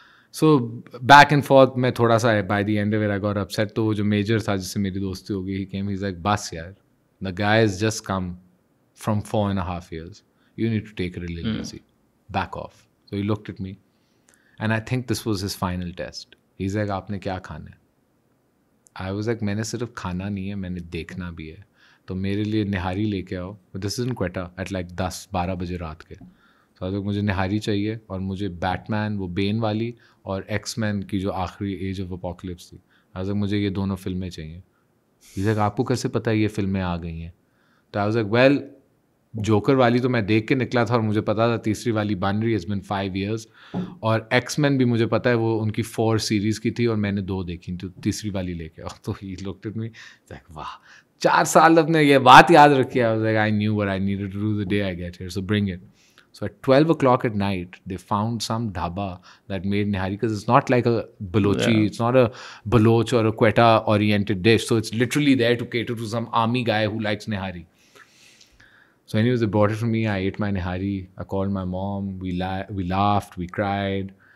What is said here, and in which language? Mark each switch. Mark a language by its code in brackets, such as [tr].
[en] So back and forth, [hi] मैं थोड़ा सा [en] by the end of it I got upset. [hi] तो वो जो major था जिससे मेरी दोस्ती होगी, [en] he came, he's like, [hi] बस यार, [en] the guy has just come from 4.5 years. You need to take it a little easy. Back off. So he looked at me, and I think this was his final test. He's like, [hi] आपने क्या खाना है? [en] I was like, [hi] मैंने सिर्फ खाना नहीं है, मैंने देखना भी है. तो मेरे लिए निहारी लेके आओ. [en] This is in Quetta at like [hi] 10-12 बजे रात के. मुझे निहारी चाहिए और मुझे बैटमैन वो बेन वाली और एक्समैन की जो आखिरी एज ऑफ अपोकलिप्स थी, आई वाज़ मुझे ये दोनों फिल्में चाहिए. इज लाइक, आपको कैसे पता है ये फिल्में आ गई हैं? तो I was like, well, joker वाली तो मैं देख के निकला था और मुझे पता था तीसरी वाली बन रही, [en] Is been 5 years. [hi] और एक्समैन भी मुझे पता है, वो उनकी 4 सीरीज की थी और मैंने 2 देखी, तो तीसरी वाली लेके आओ. तो [en] he looked at me like, [hi] वाह, 4 साल अपने ये बात याद रखी. [en] I was like, I knew what I needed to do the day I get here, so bring it. So at 12 o'clock at night, they found some dhaba that made nihari, because it's not like a balochi, it's not a baloch or a Quetta oriented dish. So it's literally there to cater to some army guy who likes nihari. So anyways, they brought it for me. I ate my nihari. I called my mom. We laughed. We cried.